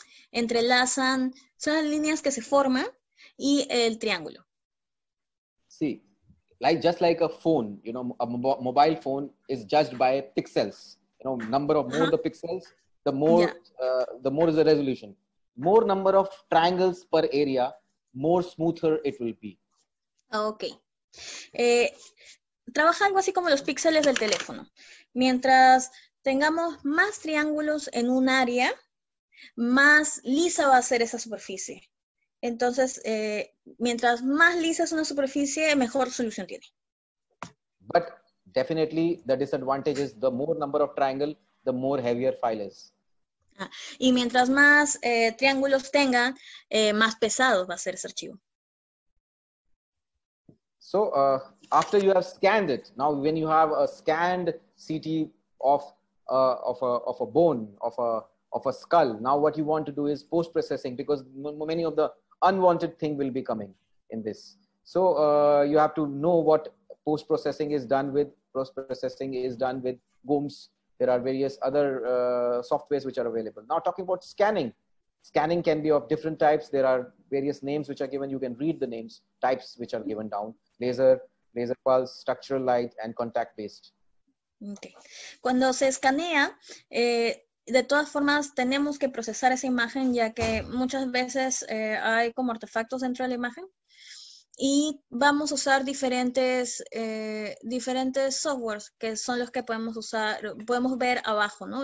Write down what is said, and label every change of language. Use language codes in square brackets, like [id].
[es] entrelazan, son las líneas que se forman y el triángulo. Sí. [en] Like, just like a phone, you know, a mobile phone is judged by pixels. You know, number of more the pixels, the more the more is the resolution. More number of triangles per area, more smoother it will be. Okay. [es] Trabaja algo así como los píxeles del teléfono. Mientras tengamos más triángulos en un área, más lisa va a ser esa superficie. Entonces, mientras más lisa es una superficie, mejor solución tiene. [en] But definitely the disadvantage is the more number of triangle, the more heavier file is. [es] Y mientras más triángulos tengan, más pesado va a ser ese archivo. [en] So, after you have scanned it, now when you have a scanned CT of a bone, of a skull, now what you want to do is post-processing, because many of the unwanted thing will be coming in this. So you have to know what post-processing is done with. Post-processing is done with GOMS. There are various other softwares which are available. Now talking about scanning. Scanning can be of different types. There are various names which are given. You can read the names, types which are given down. Laser, laser pulse, structural light, and contact-based. Okay. [es] Cuando se escanea, de todas formas, tenemos que procesar esa imagen, ya que muchas veces hay como artefactos dentro de la imagen. Y vamos a usar diferentes, diferentes softwares, que son los que podemos usar, podemos ver abajo, ¿no?